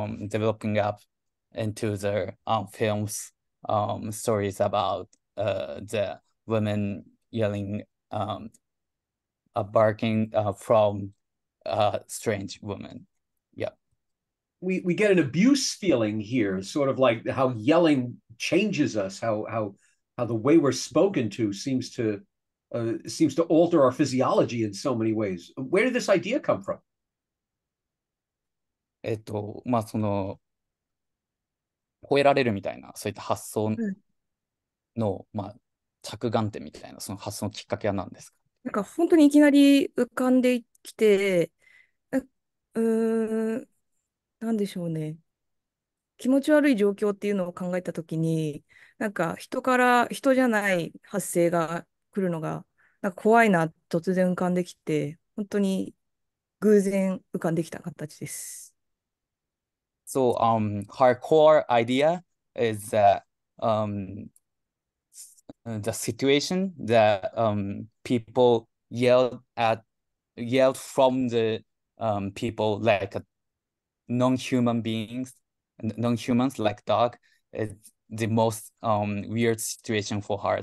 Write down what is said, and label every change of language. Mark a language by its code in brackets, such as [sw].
[en] developing up into the film's stories about the women yelling barking fromA strange woman. Yeah. We get an abuse feeling here, sort of like how yelling changes us, how the way we're spoken to seems to alter our physiology in so many ways. Where did this idea come from? [ja] まあその吠えられるみたいなそういった発想の、まあ、着眼点みたいなその発想のきっかけは何ですか？なんか本当にいきなり浮かんできて。何でしょうね。気持ち悪い状況っていうのを考えたときに、なんか人から人じゃない発声が来るのが、なんか怖いな、突然浮かんできて、本当に偶然浮かんできた形です。 [en] So, her core idea is that, the situation that, people yelled from thepeople like non-human beings, non-humans like dog, is the most weird situation for her.